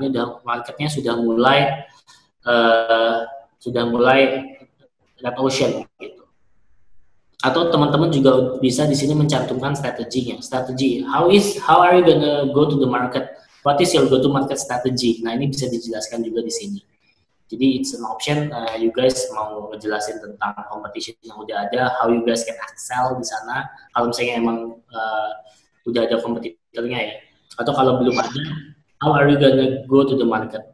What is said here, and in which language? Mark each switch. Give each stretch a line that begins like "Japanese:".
Indonesian: Ini udah marketnya sudah mulai red ocean gitu. Atau teman-teman juga bisa di sini mencantumkan strateginya.
English: Strategi, how are you gonna go to the market? What is your go to market strategy?
Indonesian: Nah, ini bisa dijelaskan juga di sini. Jadi
English: it's an option
Indonesian: you guys mau ngejelasin tentang competition yang udah ada,
English: how you guys can excel
Indonesian: di sana. Kalau misalnya emang udah ada kompetitornya ya. Atau kalau belum ada,
English: how are you gonna go to the market?